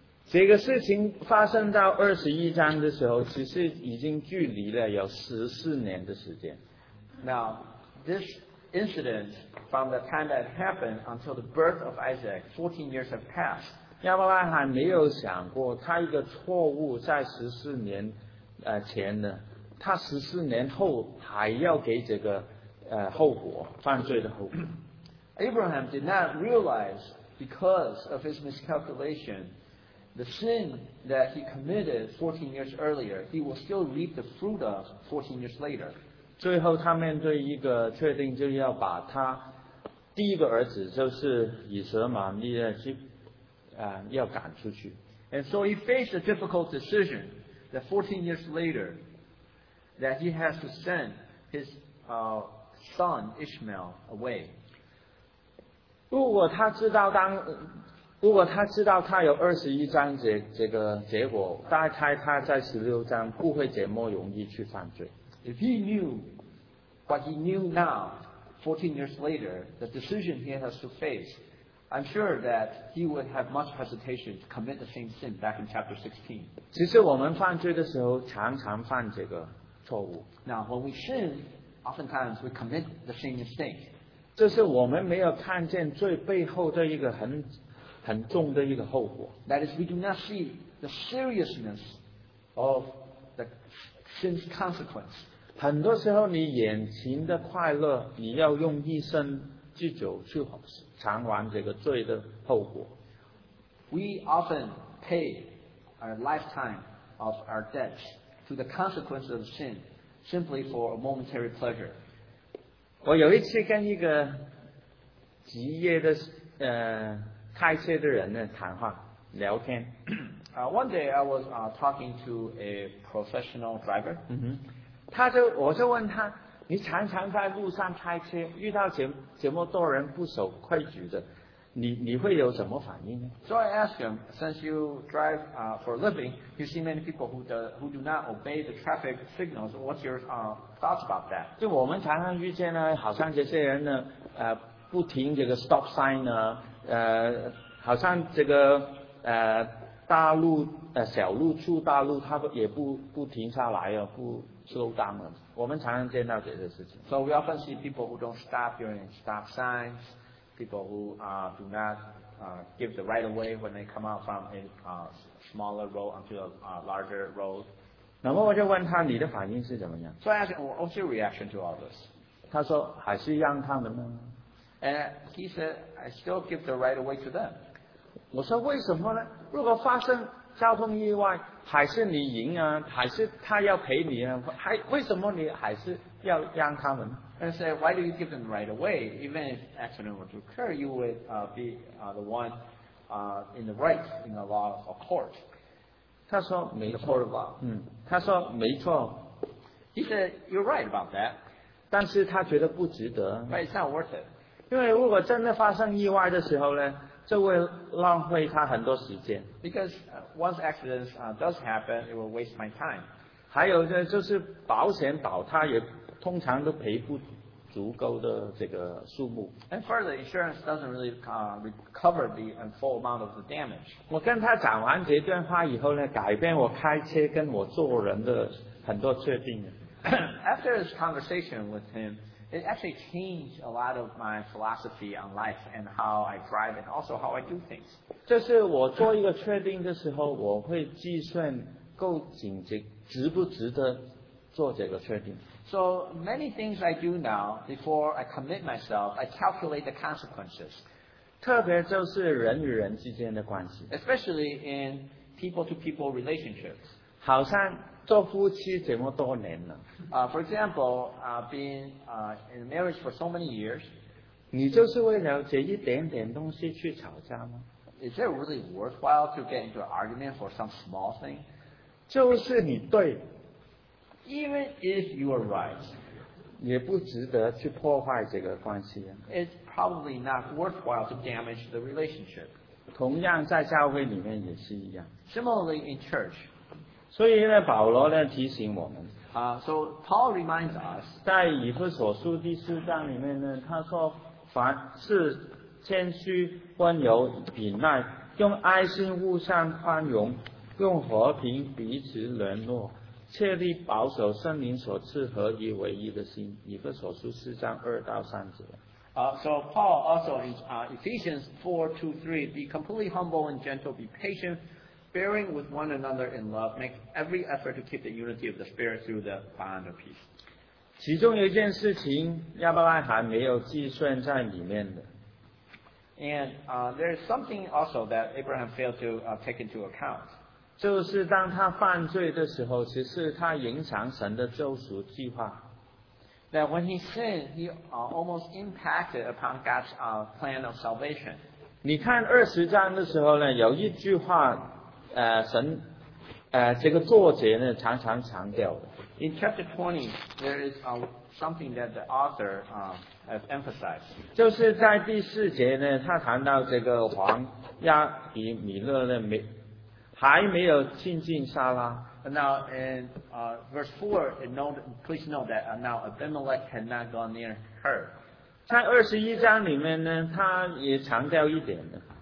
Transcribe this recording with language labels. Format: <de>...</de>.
<zh>这个事情发生到二十一章的时候，其实已经距离了有十四年的时间。</zh> <en>Now, this incident from the time that happened until the birth of Isaac, 14 years have passed.</en> <zh>亚伯拉罕没有想过，他一个错误在十四年前呢，他十四年后还要给这个后果，犯罪的后果。</zh> <en>Abraham did not realize because of his miscalculation. The sin that he committed 14 years earlier, he will still reap the fruit of 14 years later.</en> <zh>最后他面对一个确定，就是要把他第一个儿子，就是以实玛利亚去要赶出去。</zh> <en>And so he faced a difficult decision that 14 years later, that he has to send his son Ishmael away.</en> <zh>如果他知道当如果他知道他有二十一章这个结果，大概他在十六章不会这么容易去犯罪。</zh> <en>If he knew what he knew now, 14 years later, the decision he has to face, I'm sure that he would have much hesitation to commit the same sin back in chapter 16.</en> <zh>其实我们犯罪的时候常常犯这个错误。</zh> <en>Now, when we sin, oftentimes we commit the same mistake.</en> <zh>这是我们没有看见罪背后的一个很重的一个后果。</zh> <en>That is, we do not see the seriousness of the sin's consequence.</en> <zh>很多时候你眼前的快乐，你要用一生之久去偿还这个罪的后果。</zh> <en>We often pay our lifetime of our debts to the consequences of sin simply for a momentary pleasure.</en> <zh>我有一次跟一个职业的开车的人呢谈话聊天。</zh> <en>One day I was talking to a professional driver.</en> <zh>嗯哼，我就问他，你常常在路上开车，遇到这么多人不守规矩的，你会有什么反应呢？</zh> <en>So I asked him, since you drive for a living, you see many people who do not obey the traffic signals. What's your thoughts about that?</en> <zh>就我们常常遇见呢，好像这些人呢，不停这个 stop sign 呢，好像这个大路小路出大路，他也不停下来啊，不</zh> <en>slow down</en> <zh>了。我们常常见到这些事情。</zh> <en>So we often see people who don't stop during stop signs, people who do not give the right of way when they come out from a smaller road onto a larger road.</en> <zh>那么我就问他，你的反应是怎么样</zh> <en>？So I asked him, what's your reaction to all this?</en> <zh>他说还是让他们呢。</zh> <en>And he said, I still give the right of way to them.</en> <zh>我说为什么呢？如果发生交通意外，还是你赢啊？还是他要赔你啊？为什么你还是要让他们</zh> <en>？And say, why do you give them right away? Even if accident were to occur, you would be the one in the right in the law of court.</en> <zh>他说没错的吧？他说没错。</zh> <en>He said you're right about that.</en> <zh>但是他觉得不值得。</zh> <en>But it's not worth it.</en> <zh>因为如果真的发生意外的时候呢？这会浪费他很多时间。</zh> <en>Because once accidents does happen, it will waste my time.</en> <zh>还有呢，就是保险保他也通常都赔不足够的这个数目。</zh> <en>And further, insurance doesn't really cover the full amount of the damage.</en> <zh>我跟他讲完这段话以后呢，改变我开车跟我做人的很多决定。</zh> <en>After this conversation with him, it actually changed a lot of my philosophy on life and how I drive and also how I do things.</en> <zh>就是我做一个确定的时候，我会计算够紧急，值不值得做这个确定。</zh> <en>So many things I do now, before I commit myself, I calculate the consequences.</en> <zh>特别就是人与人之间的关系。</zh> <en>Especially in people-to-people relationships.</en> <zh>好像做夫妻这么多年了。</zh> <en>For example, being in marriage for so many years,</en> <zh>你就是为了这一点点东西去吵架吗？</zh> <en>Is it really worthwhile to get into an argument for some small thing?</en> <zh>就是你对。</zh> <en>Even if you are right,</en> <zh>也不值得去破坏这个关系。</zh> <en>It's probably not worthwhile to damage the relationship.</en> <zh>同样在教会里面也是一样。</zh> <en>Similarly in church,</en> <zh>所以呢，保罗呢提醒我们。</zh> <en>So Paul reminds us，</en> <zh>在以弗所书第四章里面呢，他说凡事谦虚、温柔、忍耐，用爱心互相宽容，用和平彼此联络，切力保守圣灵所赐合一为一的心。以弗所书四章二到三节。</zh> <en>So Paul also in Ephesians 4:2-3， be completely humble and gentle, be patient. Bearing with one another in love, make every effort to keep the unity of the spirit through the bond of peace.</en> <zh>其中有一件事情亚伯拉罕没有计算在里面的。</zh> <en>And there is something also that Abraham failed to take into account.</en> <zh>就是当他犯罪的时候，其实他隐藏神的救赎计划。</zh> <en>That when he sinned, he almost impacted upon God's plan of salvation.</en> <zh>你看二十章的时候呢，有一句话。神这个作者呢常常强调的。</zh> <en>In chapter 20, there is something that the author has emphasized.</en> <zh>就是在第四节呢，他谈到这个王亚比米勒呢还没有亲近撒拉。</zh> <en>Now in verse 4, please note that now Abimelech had not gone near her.</en> <zh>在二十一章里面呢，他也强调一点的。</zh>